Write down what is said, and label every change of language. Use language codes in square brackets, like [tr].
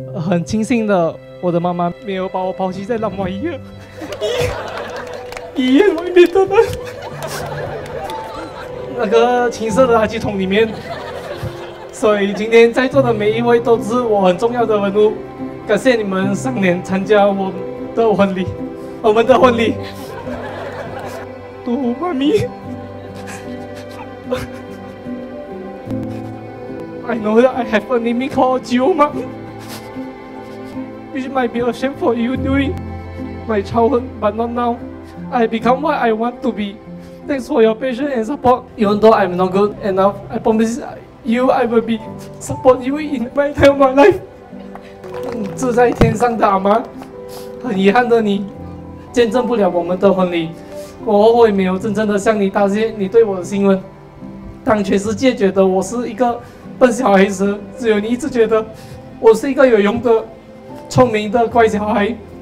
[zh] 很庆幸的，我的妈妈没有把我抛弃在那么医院外面的人。那个青色的垃圾桶里面，所以今天在座的每一位都是我很重要的人物，感谢你们上年参加我们的婚礼。 [en] 嘟妈咪 ，I know that I have a name called Jiu Mom. Which might be a shame for you doing my childhood, but not now. I become what I want to be. Thanks for your patience and support. Even though I'm not good enough, I promise you I will be support you in my time of my life. [zh] 住在天上的阿妈，很遗憾的你见证不了我们的婚礼。我后悔没有真正的向你答谢你对我的信任。当全世界觉得我是一个笨小孩时，只有你一直觉得我是一个有用的、聪明的乖小孩。